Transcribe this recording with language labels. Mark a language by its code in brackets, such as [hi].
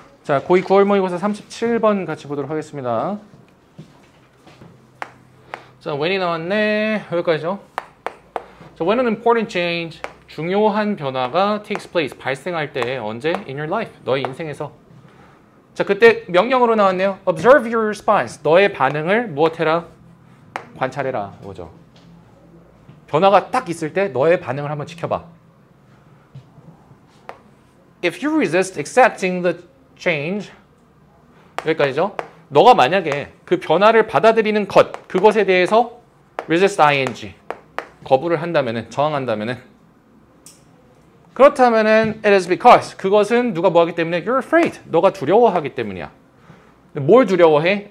[ko] 자, 고2 9월 모의고사 37번 같이 보도록 하겠습니다. 자, when이 나왔네. 여기까지죠. [en] So when an important change, [ko] 중요한 변화가 [en] takes place, [ko] 발생할 때 언제? [en] In your life, [ko] 너의 인생에서. 자, 그때 명령으로 나왔네요. [en] Observe your response, [ko] 너의 반응을 무엇해라? 관찰해라, 뭐죠? 변화가 딱 있을 때 너의 반응을 한번 지켜봐. [en] If you resist accepting the change, [ko] 여기까지죠. 너가 만약에 그 변화를 받아들이는 것, 그것에 대해서 resist ing, 거부를 한다면은, 저항한다면은, 그렇다면은 [en] it is because [ko] 그것은 누가 뭐하기 때문에 [en] you're afraid, [ko] 너가 두려워하기 때문이야. 뭘 두려워해?